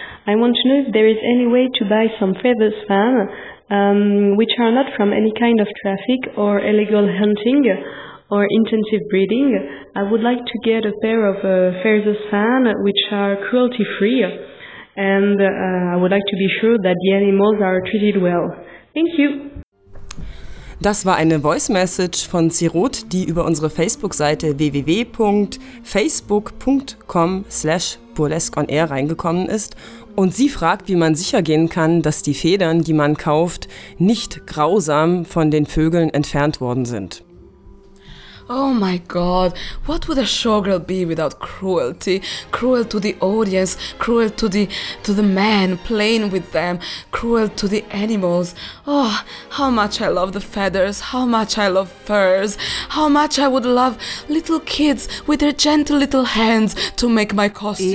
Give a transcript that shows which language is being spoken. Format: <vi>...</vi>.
<en>I want to know if there is any way to buy some feathers fan which are not from any kind of traffic or illegal hunting or intensive breeding. I would like to get a pair of feathers fan which are cruelty free, and I would like to be sure that the animals are treated well. Thank you.</en> <de>Das war eine Voice Message von Sirot, die über unsere Facebook-Seite www.facebook.com/burlesqueonair reingekommen ist. Und sie fragt, wie man sicher gehen kann, dass die Federn, die man kauft, nicht grausam von den Vögeln entfernt worden sind.</de> <en>Oh my God, what would a showgirl be without cruelty? Cruel to the audience, cruel to the men playing with them, cruel to the animals. Oh, how much I love the feathers, how much I love furs, how much I would love little kids with their gentle little hands to make my costume.</en>